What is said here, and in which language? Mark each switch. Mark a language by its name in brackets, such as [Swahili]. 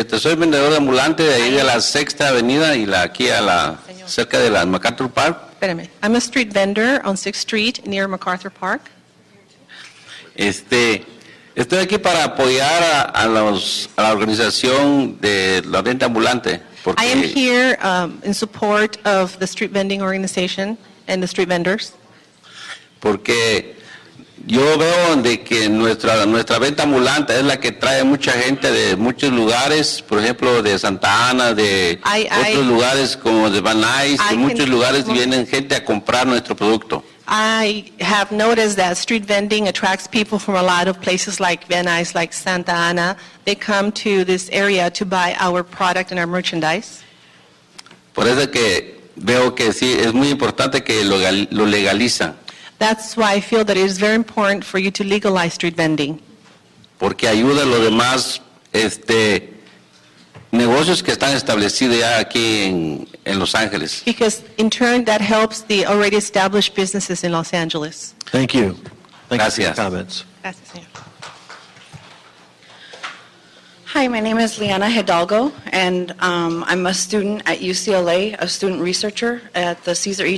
[Spanish] Soy vendedor de ambulante de ahí a la Sexta Avenida y aquí a la cerca de la MacArthur Park. [English] I'm a street vendor on 6th Street near MacArthur Park. [Spanish] Estoy aquí para apoyar a la organización de la venta ambulante. [English] I am here in support of the street vending organization and the street vendors. [Spanish] Porque yo veo de que nuestra venta ambulante es la que trae mucha gente de muchos lugares, por ejemplo, de Santa Ana, de otros lugares como de Van Nuys, de muchos lugares vienen gente a comprar nuestro producto. [English] I have noticed that street vending attracts people from a lot of places like Van Nuys, like Santa Ana. They come to this area to buy our product and our merchandise. [Spanish] Por eso que veo que sí, es muy importante que lo legalizan. [English] That's why I feel that it is very important for you to legalize street vending. [Spanish] porque ayuda a los demás negocios que están establecidos ya aquí en Los Ángeles. [English] Because in turn that helps the already established businesses in Los Angeles. Thank you. Thank [Spanish] Gracias. [English] You for your comments. [Spanish] Gracias, señor. [English] Hi, my name is Liana Hidalgo, and I'm a student at UCLA, a student researcher at the Cesar E.